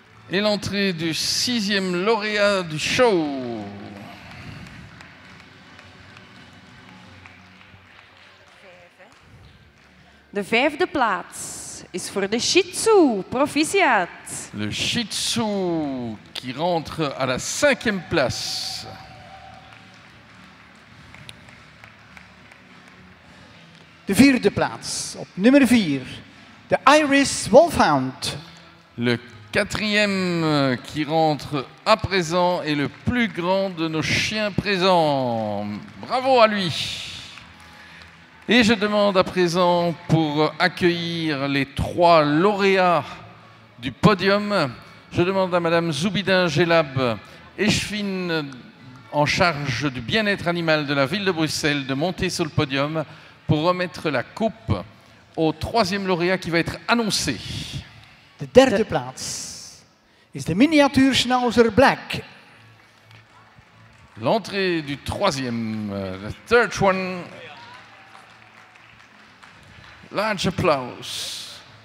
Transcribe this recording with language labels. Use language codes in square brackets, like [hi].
[fr] Et l'entrée du sixième lauréat du show. [nl] De vijfde plaats is voor de Shih Tzu, proficiat. [fr] Le Shih Tzu qui rentre à la cinquième place. [nl] De vierde plaats, op nummer vier, de Irish Wolfhound. [fr] Le quatrième qui rentre à présent est le plus grand de nos chiens présents. Bravo à lui! Et je demande à présent pour accueillir les trois lauréats du podium, je demande à Madame Zoubidin Gelab, échevine en charge du bien-être animal de la ville de Bruxelles, de monter sur le podium pour remettre la coupe au troisième lauréat qui va être annoncé. [nl] De derde plaats is de miniature schnauzer black. [fr] L'entrée du troisième, [en] the third one. [nl] Large applaus.